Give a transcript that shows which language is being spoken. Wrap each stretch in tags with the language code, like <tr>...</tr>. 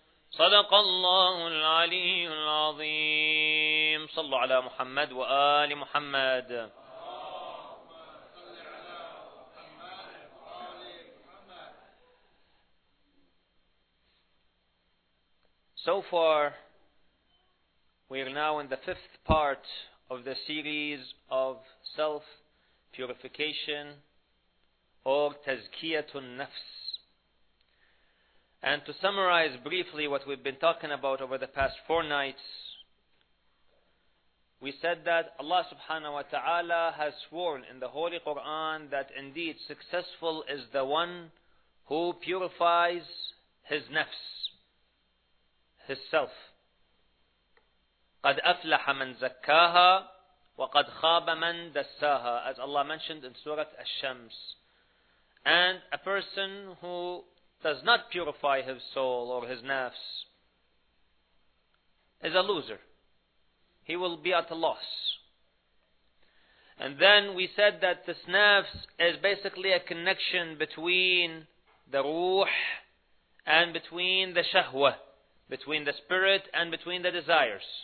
<ar>صدق الله العلي العظيم صلوا على محمد وآل محمد</ar> <en>So far we are now in the fifth part of the series of self-purification or tazkiyatun nafs. And to summarize briefly what we've been talking about over the past four nights, we said that Allah subhanahu wa ta'ala has sworn in the Holy Quran that indeed successful is the one who purifies his nafs, his self.</en> <ar>قَدْ أَفْلَحَ مَنْ زَكَّاهَا وَقَدْ خَابَ مَنْ دَسَّاهَا</ar> <en>As Allah mentioned in Surah Ash-Shams. And a person who does not purify his soul or his nafs is a loser. He will be at a loss. And then we said that this nafs is basically a connection between the ruh and between the shahwa, between the spirit and between the desires.</en>